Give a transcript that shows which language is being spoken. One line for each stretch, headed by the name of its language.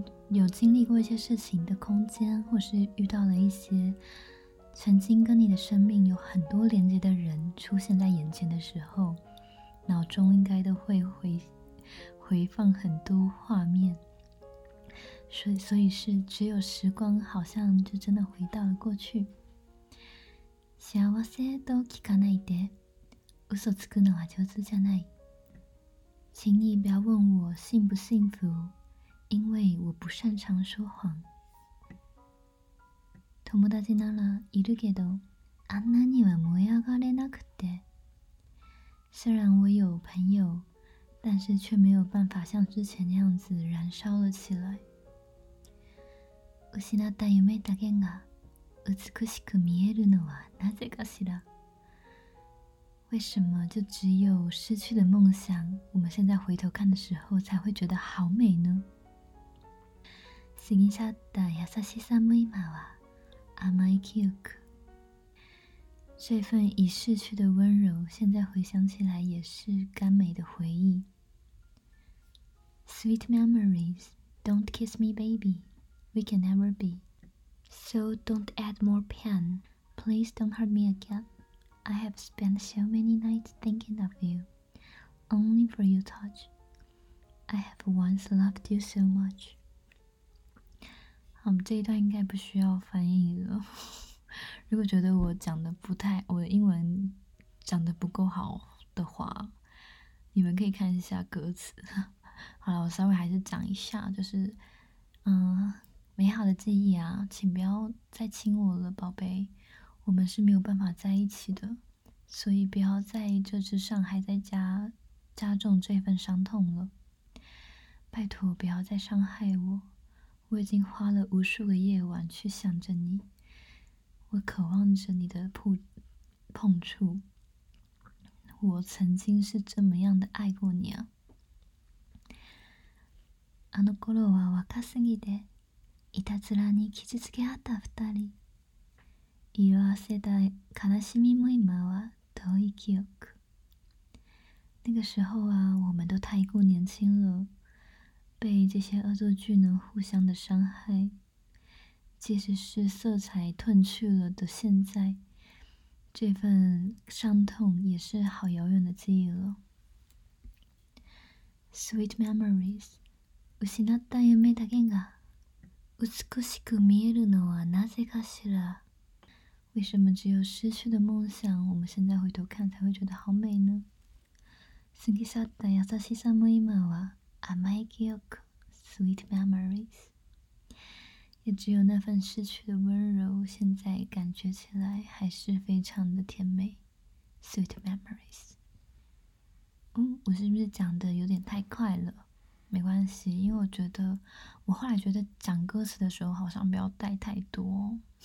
Chinese: 有经历过一些事情的空间，或是遇到了一些曾经跟你的生命有很多连接的人出现在眼前的时候，脑中应该都会回放很多画面。所以是只有时光好像就真的回到了过去。
Japanese: 幸せと聞かないで、嘘つくのは上手じゃない。
Chinese: 请你不要问我幸不幸福，因为我不擅长说谎。
Japanese: 友達ならいるけど、あんなには燃え上がれなくて。
Chinese: 虽然我有朋友，但是却没有办法像之前那样子燃烧了起来。
Japanese: 失った夢だけが美しく見えるのはなぜかしら。
Chinese: 为什么就只有失去的梦想，我们现在回头看的时候才会觉得好美呢？
Japanese: 過ぎ去った優しさも今は甘い記憶。
Chinese: 这份已逝去的温柔，现在回想起来也是甘美的回忆。
English: Sweet memories, don't kiss me, baby. We can never be. So don't add more pain. Please don't hurt me again. I have spent so many nights thinking of you, only for your touch. I have once loved you so much.
Chinese: 好，这一段应该不需要翻译了。如果觉得我讲的不太，我的英文讲的不够好的话，你们可以看一下歌词。好了，我稍微还是讲一下，就是，美好的记忆啊，请不要再亲我了，宝贝。我们是没有办法在一起的，所以不要在这之上还在加重这份伤痛了。拜托不要再伤害我，我已经花了无数个夜晚去想着你，我渴望着你的碰触。我曾经是这么样的爱过你啊。
Japanese: あの頃は若すぎて、いたずらに傷つけ合った二人。色褪せた悲しみも今は遠い記憶。
Chinese: 那个时候啊，我们都太过年轻了，被这些恶作剧呢互相的伤害。即使是色彩褪去了的现在，这份伤痛也是好遥远的记忆了。
English: Sweet memories,
Japanese: 失った夢だけが美しく見えるのはなぜかしら。
Chinese: 为什么只有失去的梦想，我们现在回头看才会觉得好美呢？
Japanese: 過ぎ去った優しさも今は甘い記憶、
English: sweet memories。
Chinese: 也只有那份失去的温柔，现在感觉起来还是非常的甜美、
English: sweet memories。
Chinese: 我是不是讲的有点太快了？没关系，因为我觉得我后来觉得讲歌词的时候好像不要带太多。